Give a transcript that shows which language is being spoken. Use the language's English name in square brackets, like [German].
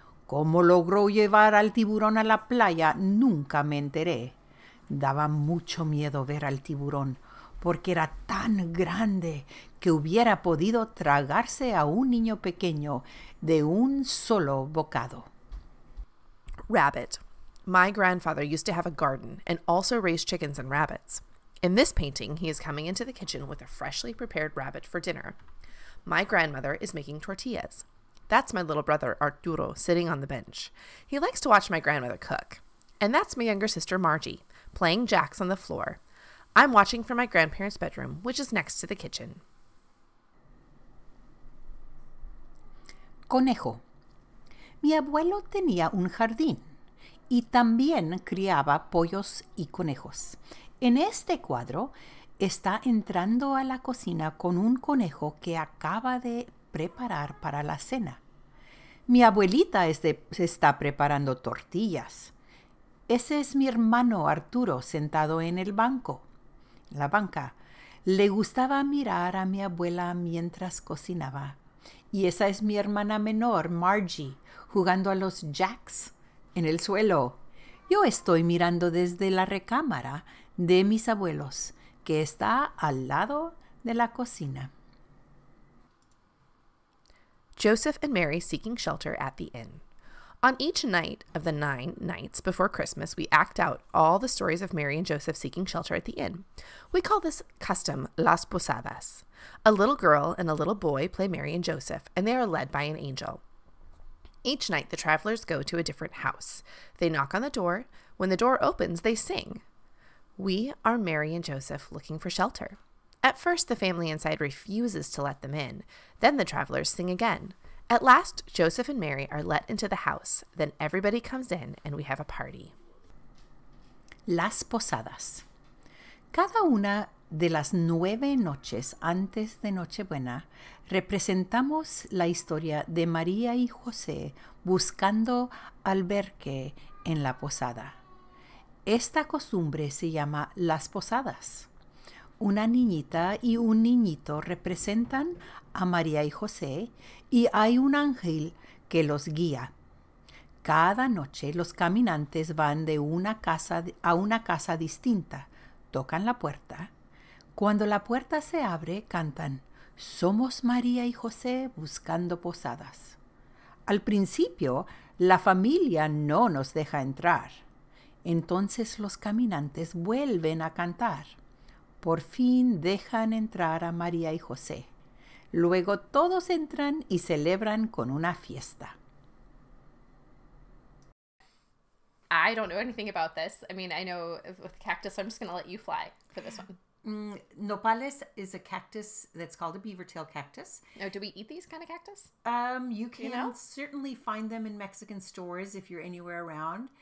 [Spanish] ¿Cómo logró llevar al tiburón a la playa? Nunca me enteré. Daba mucho miedo ver al tiburón, porque era tan grande que hubiera podido tragarse a un niño pequeño de un solo bocado. [English] Rabbit. My grandfather used to have a garden and also raised chickens and rabbits. In this painting, he is coming into the kitchen with a freshly prepared rabbit for dinner. My grandmother is making tortillas. That's my little brother, Arturo, sitting on the bench. He likes to watch my grandmother cook. And that's my younger sister, Margie, playing jacks on the floor. I'm watching from my grandparents' bedroom, which is next to the kitchen. [Spanish] Conejo. Mi abuelo tenía un jardín y también criaba pollos y conejos. En este cuadro está entrando a la cocina con un conejo que acaba de preparar para la cena. Mi abuelita se está preparando tortillas. Ese es mi hermano Arturo sentado en el banco. La banca. Le gustaba mirar a mi abuela mientras cocinaba. Y esa es mi hermana menor, Margie, jugando a los jacks en el suelo. Yo estoy mirando desde la recámara de mis abuelos, que está al lado de la cocina. [English] Joseph and Mary seeking shelter at the inn. On each night of the 9 nights before Christmas, we act out all the stories of Mary and Joseph seeking shelter at the inn. We call this custom Las Posadas. A little girl and a little boy play Mary and Joseph, and they are led by an angel. Each night, the travelers go to a different house. They knock on the door. When the door opens, they sing. We are Mary and Joseph looking for shelter. At first, the family inside refuses to let them in. Then the travelers sing again. At last, Joseph and Mary are let into the house. Then everybody comes in and we have a party. [Spanish] Las posadas. Cada una de las 9 noches antes de Nochebuena, representamos la historia de María y José buscando albergue en la posada. Esta costumbre se llama las posadas. Una niñita y un niñito representan a María y José, y hay un ángel que los guía. Cada noche los caminantes van de una casa a una casa distinta, tocan la puerta. Cuando la puerta se abre, cantan, Somos María y José buscando posadas. Al principio, la familia no nos deja entrar. Entonces los caminantes vuelven a cantar. Por fin dejan entrar a María y José. Luego todos entran y celebran con una fiesta. [English] I don't know anything about this. I mean, I know with cactus, I'm just going to let you fly for this one. Nopales is a cactus that's called a beaver tail cactus. Now, do we eat these kind of cactus? You can certainly find them in Mexican stores if you're anywhere around.